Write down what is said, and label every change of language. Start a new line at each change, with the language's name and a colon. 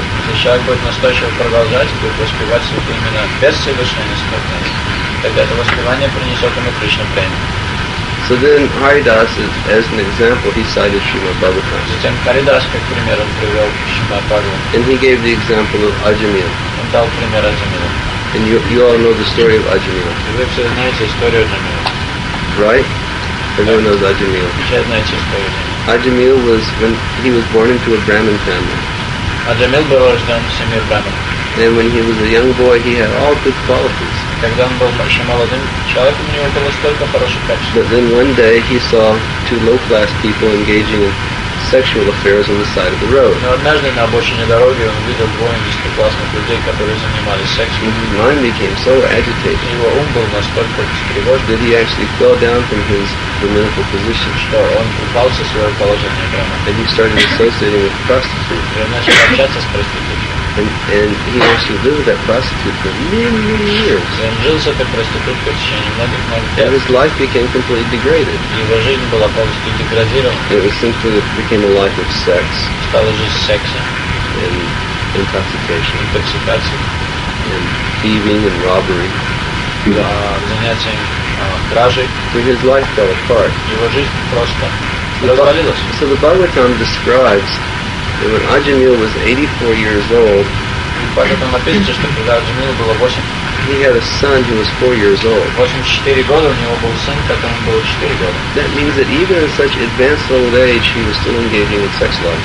Russian: Если человек будет настойчиво продолжать, будет воспевать святые имена без совершения смертей, тогда это воспевание принесет ему Кришна прему.
English: So then Haridasa, as an example, he cited Srimad Bhagavatam.
Russian: Затем Haridasa, как пример, он привел Srimad Bhagavatam.
English: And he gave the example of Ajamila.
Russian: Он дал пример Ajamila.
English: And you all know the story of Ajamila.
Russian: Вы все знаете историю Ajamila.
English: Right? Everyone knows Ajamila.
Russian: Все знаете историю Ajamila.
English: Ajamil was when he was born into a Brahmin family.
Russian: Ajamil был рожден в семье Брахмин.
English: And when he was a young boy, he had all good qualities.
Russian: Когда он был еще молодым человеком, у него было столько хороших качеств.
English: But then one day he saw two low-class people engaging in sexual affairs on the side of the road.
Russian: Но однажды на обочине дороги он видел двое низкоклассных людей, которые занимались сексом.
English: His mind became so agitated.
Russian: Его ум был настолько встревожен.
English: That he actually fell down from his dominical position.
Russian: Что он упал со своего положения прямо.
English: And he started associating with prostitutes.
Russian: И он начал общаться с проституткой.
English: And he actually lived with that prostitute for many, many years.
Russian: И он жил с этой проституткой в течение многих лет.
English: And his life became completely degraded.
Russian: И его жизнь была полностью деградирована.
English: It simply became a life of sex.
Russian: Стала жизнь секса.
English: And intoxication. Intoxication. And thieving and robbery.
Russian: Занятием кражей.
English: So his life fell apart.
Russian: Его жизнь просто развалилась.
English: So the Bhagavatam describes that when Ajamil was 84 years old, he had a son who was 4 years old. That means that even in such advanced old age, he was still engaging in sex life.